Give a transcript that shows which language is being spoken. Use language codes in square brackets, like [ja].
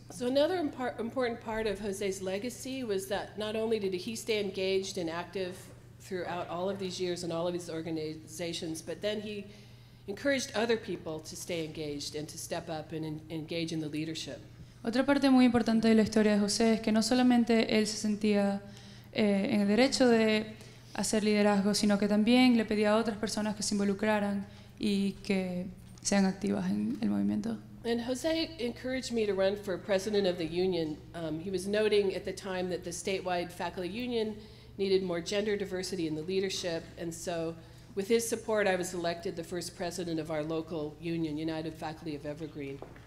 [en] So another important part of José's legacy was that not only did he stay engaged and active throughout all of these years and all of his organizations, but then he encouraged other people to stay engaged and to step up and engage in the leadership. [es] Otra parte muy importante de la historia de José es que no solamente él se sentía en el derecho de hacer liderazgo, sino que también le pedía a otras personas que se involucraran y que sean activas en el movimiento. [en] And José encouraged me to run for president of the union. He was noting at the time that the statewide faculty union needed more gender diversity in the leadership, and so with his support I was elected the first president of our local union, United Faculty of Evergreen.